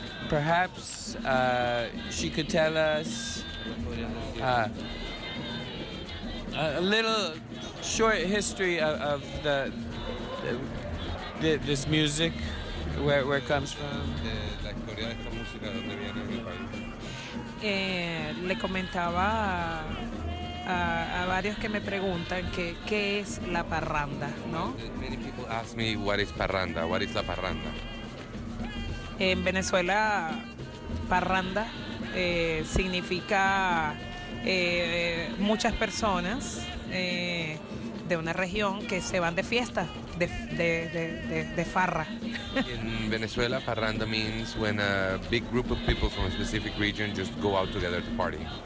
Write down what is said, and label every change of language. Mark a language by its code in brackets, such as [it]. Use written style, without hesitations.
[en] Perhaps she could tell us a little short history of the this music, where it comes from. [es] Le comentaba a varios que me preguntan que qué es la parranda, ¿no? [en] Many people ask me what is parranda, what is la parranda. [es] En Venezuela, parranda significa muchas personas de una región que se van de fiesta, de farra. [en] In Venezuela, parranda means when a big group of people from a specific region just go out together to party.